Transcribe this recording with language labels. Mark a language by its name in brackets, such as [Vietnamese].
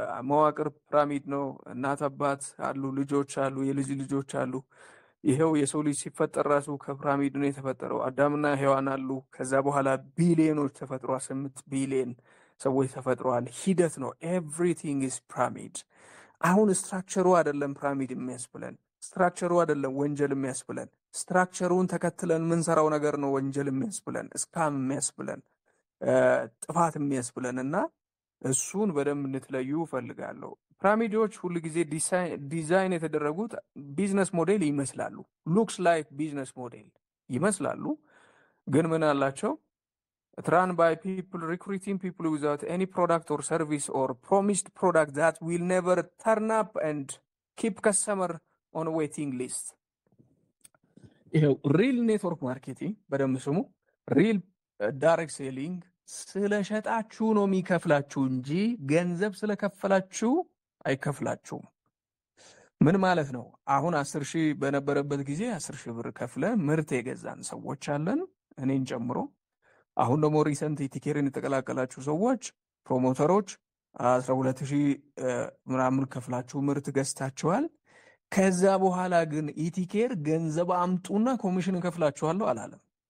[Amharic] መዋቅር ፕራሚድ ነው። እናት አባት አሉ፣ ልጆች አሉ፣ የልጅ ልጆች አሉ። ይሄው የሰው ልጅ ሲፈጠር ራሱ ከፕራሚድ ነው የተፈጠረው። አዳምና ሔዋን አሉ። ከዛ በኋላ ቢሊዮኖች ተፈጥሯል። 8 ቢሊዮን ሰዎች ተፈጥሯል። ሂደት ነው። [English] ኤቭሪቲንግ ኢዝ ፕራሚድ። [Amharic] አሁን ስትራክቸሩ አይደለም ፕራሚድ የሚያስብለን። ስትራክቸሩ አይደለም ወንጀል የሚያስብለን። ስትራክቸሩን ተከትለን ምን ሰራው ነገር ነው ወንጀል የሚያስብለን፣ ስካም የሚያስብለን፣ ጥፋት የሚያስብለንና እሱን በደንብ እንትለዩ ፈልጋለሁ። ፕራሚዶች ሁሉ ጊዜ ዲዛይን የተደረጉት ቢዝነስ ሞዴል ይመስላሉ። [English] ሉክስ ላይክ ቢዝነስ ሞዴል [Amharic] ይመስላሉ። ግን ምን አላቸው? [English] run by people recruiting people without any product or service or promised product that will never turn up and keep customer on a waiting list. [Amharic] ይሄው ሪል ኔትወርክ ማርኬቲንግ በደምሱሙ ሪል ዳይሬክት ሴሊንግ ስለሸጣችሁ ነው የሚከፍላችሁ እንጂ ገንዘብ ስለከፈላችሁ አይከፍላችሁም። ምን ማለት ነው? አሁን 10 ሺህ በነበረበት ጊዜ 10 ሺህ ብር ከፍለ ምርት የገዛን ሰዎች አለን እኔን ጨምሮ። አሁን ደግሞ ሪሰንት ቲኬሪን ተቀላቀላችሁ ሰዎች ፕሮሞተሮች 12 ሺህ ምናምን ከፍላችሁ ምርት ገዝታችኋል። ከዛ በኋላ ግን ኢቲኬር ገንዘብ አምጡና ኮሚሽን ከፍላችኋለሁ አላለም።